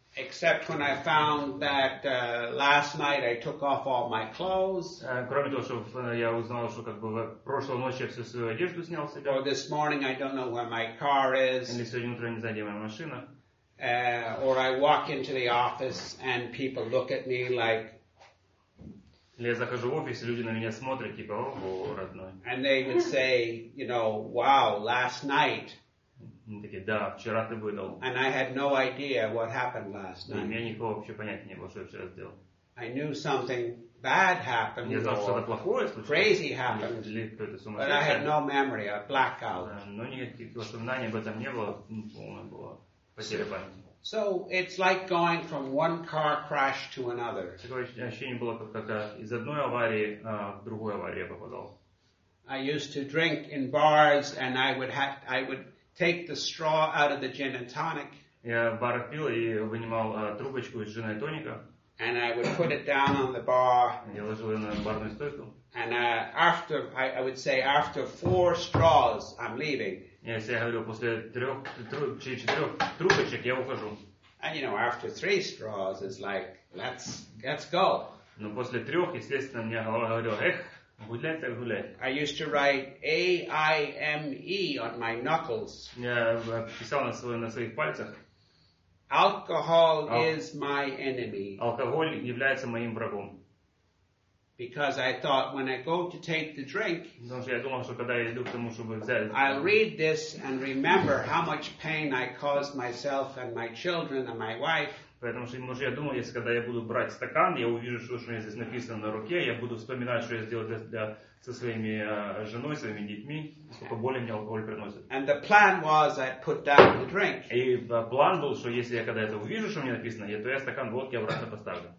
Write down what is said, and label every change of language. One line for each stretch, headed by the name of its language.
English: Except when I found that last night I took off all my clothes.
Russian: Кроме того, что я узнал, что как бы в прошлой ночи я всю свою одежду снял с себя.
English: Or this morning I don't know where my car is.
Russian: Или сегодня утром не знаю, где моя машина.
English: Or I walk into the office and people look at me like.
Russian: Или я захожу в офис, и люди на меня смотрят, типа, ого, родной.
English: And they would say, you know, wow, last night.
Russian: Они такие, да, вчера ты выдал.
English: And I had no idea what happened last night.
Russian: И у меня никакого вообще понятия не было, что я вчера сделал.
English: I knew something bad happened.
Russian: Я знал, что-то плохое случилось.
English: Crazy happened.
Russian: Или кто-то сумасшедший.
English: But I had no memory, a blackout.
Russian: Но никаких воспоминаний об этом не было, полное было потеря памяти.
English: So it's like going from one car crash to another.
Russian: Такое ощущение было, как из одной аварии в другую аварию я попадал.
English: I used to drink in bars, and I would take the straw out of the gin and tonic.
Russian: Я в барах пил и вынимал трубочку из джина и тоника.
English: And I would put it down on the bar.
Russian: Я ложил ее на барную стойку.
English: And after I would say after four straws I'm leaving.
Russian: Если я говорю после четырех трубочек я ухожу.
English: And you know after three straws it's like let's go.
Russian: Но после трех, естественно, мне голова говорила, эх, гулять так гулять.
English: I used to write AIME on my knuckles.
Russian: Я писал на своих пальцах.
English: Alcohol is my enemy.
Russian: Алкоголь является моим врагом.
English: Because I thought when I go to take the drink, I'll read this and remember how much pain I caused myself and my children and my wife.
Russian: Поэтому, что, может, я думал, если когда я буду брать стакан, я увижу, что у меня здесь написано на руке, я буду вспоминать, что я сделал со своими женой, своими детьми, сколько боли мне алкоголь приносит.
English: And the plan was I'd put down the drink.
Russian: И план был, что если я когда это увижу, что мне написано, то я стакан водки обратно поставлю.